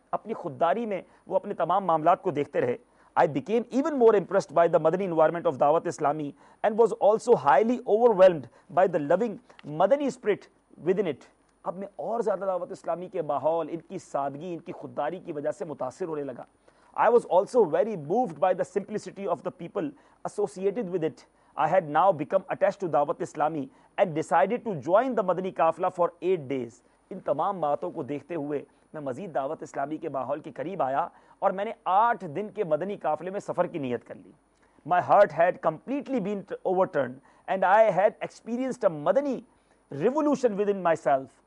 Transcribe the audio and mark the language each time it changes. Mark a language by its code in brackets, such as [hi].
[ur] اپنی خودداری میں وہ اپنے تمام معاملات کو دیکھتے رہے. [en] I became even more impressed by the Madani environment of Dawat Islami and was also highly overwhelmed by the loving Madani spirit within it. [ur] اب میں اور زیادہ دعوت اسلامی کے ماحول, ان کی سادگی, ان کی خودداری کی وجہ سے متاثر ہونے لگا. [en] I was also very moved by the simplicity of the people associated with it. I had now become attached to Dawat Islami and decided to join the Madani Kafla for 8 days. [ur] ان تمام باتوں کو دیکھتے ہوئے میں مزید دعوت اسلامی کے ماحول کے قریب آیا اور میں نے 8 دن کے مدنی قافلے میں سفر کی نیت کر لی. [en] My heart had completely been overturned and I had experienced a مدنی revolution within myself.